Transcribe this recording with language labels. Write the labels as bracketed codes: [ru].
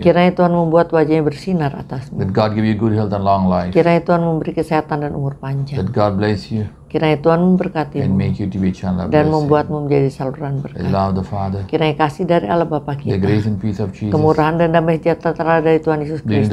[id] Kiranya Tuhan membuat wajahnya bersinar atasmu. [en] Let God give you good health and long life. [id] Kiranya Tuhan memberi kesehatan dan umur panjang. [en] Let God bless you. [id] Kiranya Tuhan memberkatimu. [en] And make you to be a channel of blessing. [id] Dan membuatmu menjadi saluran berkat. [en] The love of the Father. [id] Kiranya kasih dari Allah Bapa kita. [en] The grace and peace of Jesus. [id] Kemurahan dan damai sejahtera dari Tuhan Yesus Kristus.